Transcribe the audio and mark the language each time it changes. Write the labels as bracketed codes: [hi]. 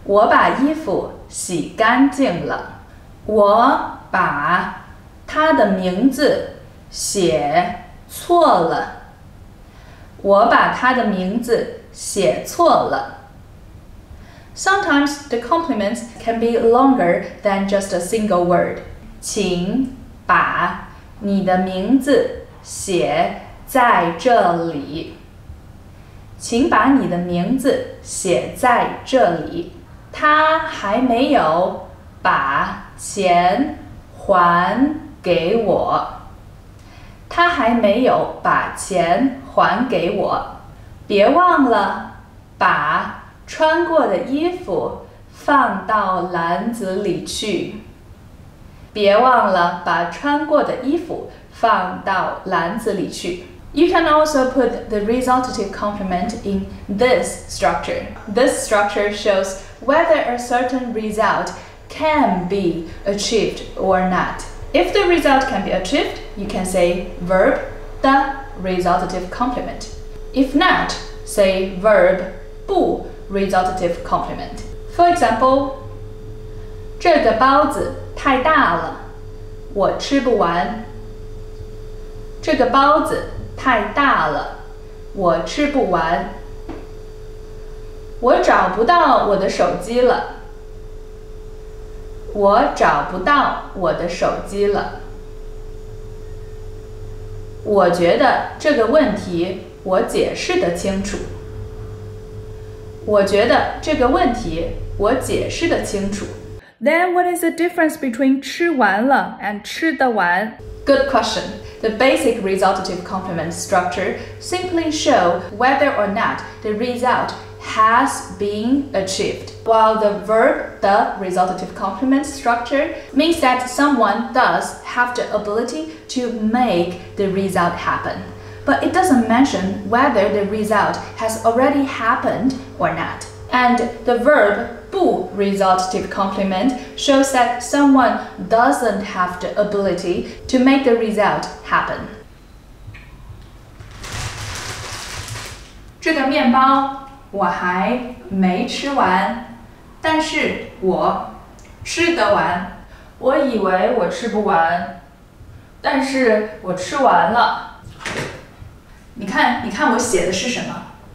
[zh] 我把衣服洗干净了。我把他的名字写错了。我把他的名字写错了。 [en] Sometimes the complements can be longer than just a single word. [zh] 请把你的名字写在这里，请把你的名字写在这里。他还没有把钱还给我。他还没有把钱还给我。别忘了把穿过的衣服放到篮子里去。别忘了把穿过的衣服放到篮子里去。 [en] You can also put the resultative complement in this structure. This structure shows whether a certain result can be achieved or not. If the result can be achieved, you can say verb, the resultative complement. If not, say verb, 不 resultative complement. For example, [zh] 这个包子太大了，我吃不完。这个包子太大了，我吃不完。我找不到我的手机了。我找不到我的手机了。我觉得这个问题我解释得清楚。我觉得这个问题我解释得清楚。 [en] Then what is the difference between [zh] 吃完了 [en] and [zh] 吃得完? [en] Good question. The basic resultative complement structure simply show whether or not the result has been achieved. While the verb 的 resultative complement structure means that someone does have the ability to make the result happen. But it doesn't mention whether the result has already happened or not. And the verb不 resultative complement shows that someone doesn't have the ability to make the result happen. [zh] 这个面包我还没吃完，但是我吃得完。我以为我吃不完，但是我吃完了。你看，你看我写的是什么？